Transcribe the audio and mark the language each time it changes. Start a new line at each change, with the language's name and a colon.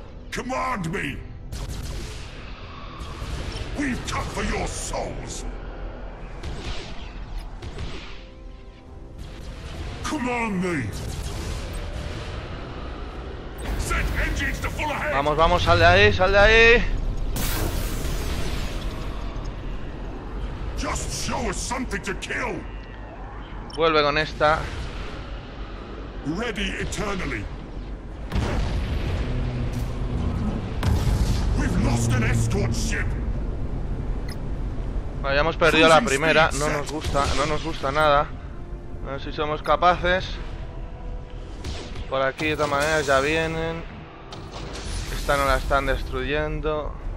English: Command me! We've come for your souls! Command me! Set engines to full ahead!
Spanish: Vamos, vamos, sal de ahí, sal de ahí.
English: Just show us something to kill.
Spanish: Vuelve con esta.
English: Ready eternally. We've lost an escort ship.
Spanish: Habíamos perdido la primera, no nos gusta, no nos gusta nada. A ver si somos capaces. Por aquí de todas maneras ya vienen. Esta no la están destruyendo.